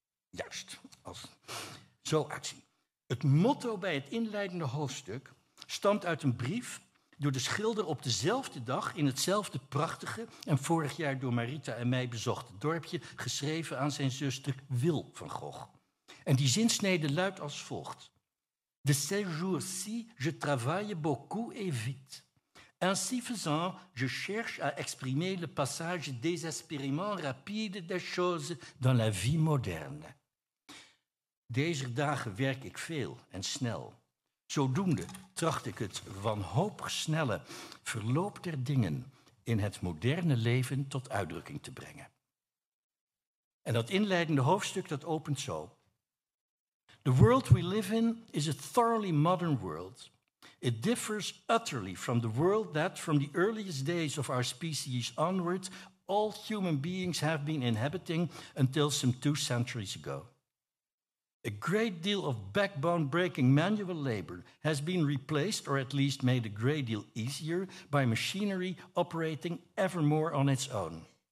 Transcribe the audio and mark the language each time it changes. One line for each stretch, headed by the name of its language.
Dutch: Juist, als zo uitzien. Het motto bij het inleidende hoofdstuk stamt uit een brief door de schilder op dezelfde dag in hetzelfde prachtige en vorig jaar door Marita en mij bezochte dorpje geschreven aan zijn zuster Wil van Gogh. En die zinsnede luidt als volgt.
French: De ces jours-ci, je travaille beaucoup et vite. Ainsi faisant, je cherche à exprimer le passage désespérément rapide des choses dans la vie moderne.
Dutch: Deze dagen werk ik veel en snel. Zodoende tracht ik het wanhopig snelle verloop der dingen in het moderne leven tot uitdrukking te brengen. En dat inleidende hoofdstuk dat opent zo.
English: The world we live in is a thoroughly modern world. It differs utterly from the world that, from the earliest days of our species onward, all human beings have been inhabiting until some 2 centuries ago. A great deal of backbone-breaking manual labor has been replaced, or at least made a great deal easier, by machinery operating ever more on its own.